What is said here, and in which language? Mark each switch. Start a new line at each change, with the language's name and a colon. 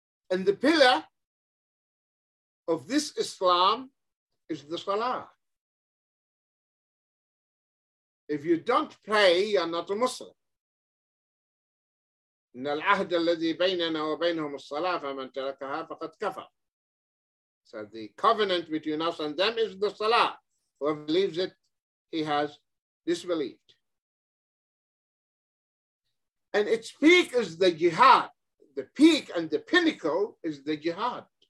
English: And the pillar of this Islam is the Salah. If you don't pray, you're not a Muslim.
Arabic: إن العهد الذي بيننا وبينهم الصلاة فمن تركها فقد كفر.
English: So the covenant between us and them is the salah. Whoever leaves it, he has disbelieved. And its peak is the jihad. The peak and the pinnacle is the jihad.